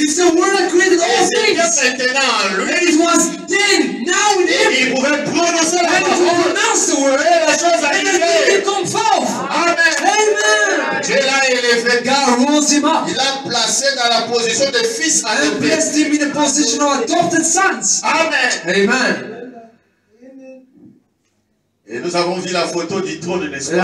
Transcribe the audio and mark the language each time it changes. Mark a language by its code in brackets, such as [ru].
[en] It's the word that created all things. [fr] Maintenant, [en] and it was then, now in him. [fr] Il pouvait prononcer la parole. [en] And he pronounced the word. [fr] Et la chose a [en] and the thing came forth. [fr] Amen. [en] Amen. [fr] Dieu l'a élevé. [en] God rose him up. [fr] Il l'a placé dans la position de fils adopté. [en] And placed him in the position of adopted sons. [fr] Amen. [en] Amen. [fr] Et nous avons vu la photo du trône, n'est-ce pas?